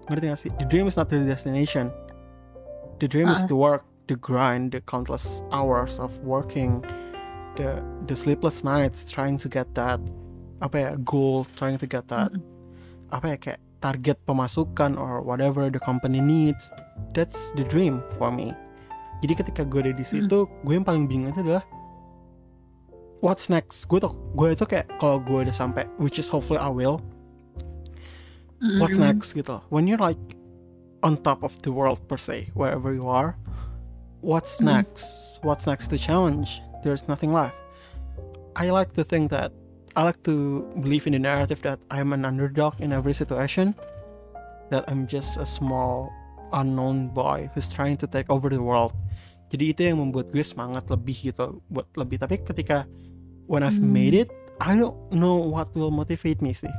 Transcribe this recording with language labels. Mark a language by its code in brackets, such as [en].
[id] Ngerti gak sih? [en] The dream is not the destination. The dream is the work, the grind, the countless hours of working, the sleepless nights trying to get that, [id] apa ya, [en] goal, trying to get that, apa ya, [id] kayak target pemasukan [en] or whatever the company needs. That's the dream for me. [id] Jadi ketika gue ada di situ, gue yang paling bingung itu adalah [en] what's next. [id] Gue itu kayak kalau gue udah sampai, [en] which is hopefully I will, what's next [id] gitu. [en] When you're like on top of the world per se, wherever you are, what's next? What's next to challenge? There's nothing left. I like to think that, I like to believe in the narrative that I'm an underdog in every situation, that I'm just a small unknown boy who's trying to take over the world. [id] Jadi itu yang membuat gue semangat lebih gitu, buat lebih. Tapi ketika [en] when I've made it, I don't know what will motivate me sih.